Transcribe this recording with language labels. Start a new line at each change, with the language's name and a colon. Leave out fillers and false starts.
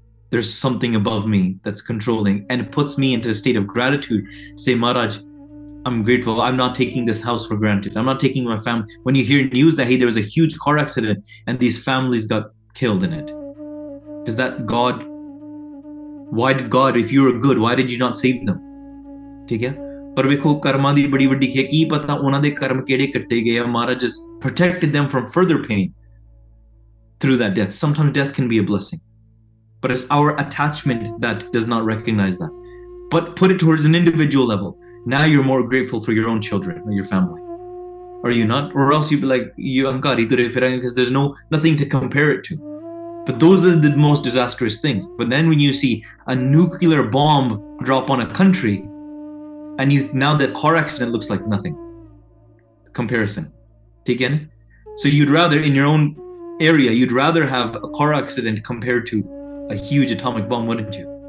English: There's something above me that's controlling, and it puts me into a state of gratitude to say, Maharaj, I'm grateful. I'm not taking this house for granted. I'm not taking my family. When you hear news that, hey, there was a huge car accident and these families got killed in it, does that God, why did God, if you were good, why did you not save them?
Punjabi: Theek hai? ਪਰ ਵੇਖੋ ਕਰਮਾਂ ਦੀ ਬੜੀ ਵੱਡੀ ਖੇ ਕੀ ਪਤਾ ਉਹਨਾਂ ਦੇ ਕਰਮ ਕਿਹੜੇ ਕੱਟੇ ਗਏ ਆ.
English: Maharaj protected them from further pain through that death. Sometimes death can be a blessing but it's our attachment that does not recognize that. But put it towards an individual level, now you are more grateful for your own children and your family. Are you not? Or else you be like you
Punjabi: ਅਹੰਕਾਰੀ ਤੁਰੇ ਫਿਰਾਂਗੇ
English: ਕਿਸ there no nothing to compare it to. But those are the most disastrous things. But then when you see a nuclear bomb drop on a country, and you, now the car accident looks like nothing. Comparison. Take in. So you'd rather, in your own area, you'd rather have a car accident compared to a huge atomic bomb, wouldn't you?